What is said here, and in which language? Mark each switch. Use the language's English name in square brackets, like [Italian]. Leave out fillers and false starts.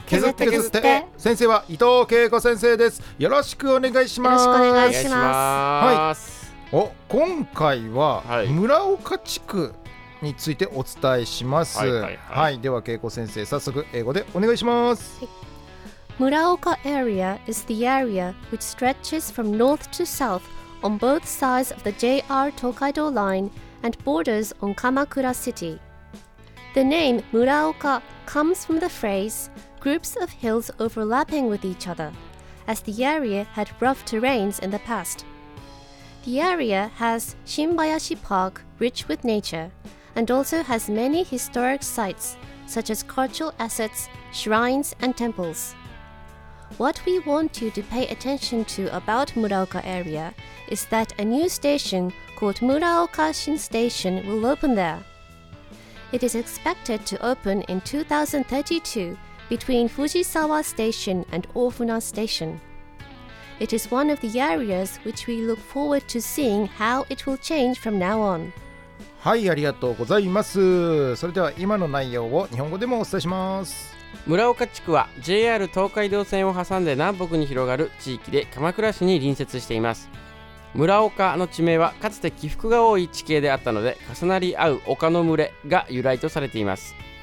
[Japanese] 削って削って。先生は伊藤恵子先生です。よろしくお願いします。よろしくお願いします。はい、お今回は村岡地区についてお伝えします。では恵子先生、早速英語でお願いします。 [English] Muraoka area is the area which stretches from north to south on both sides of the JR Tokaido line and borders on Kamakura City. The name Muraoka comes from the phrase groups of hills overlapping with each other, as the area had rough terrains in the past. The area has Shinbayashi Park, rich with nature, and also has many historic sites, such as cultural assets, shrines, and temples. What we want you to pay attention to about Muraoka area is that a new station called Muraoka Shin Station will open there. It is expected to open in 2032 between Fujisawa Station and Ofuna Station. It is one of the areas which we look forward to seeing how it will change from now on. [Japanese] はい、ありがとうございます。それでは今の内容を日本語でもお伝えします。村岡地区は JR 東海道線を挟んで南北に広がる地域で、鎌倉市に隣接しています。村岡の地名はかつて起伏が多い地形であったので、重なり合う丘の群れが由来とされています。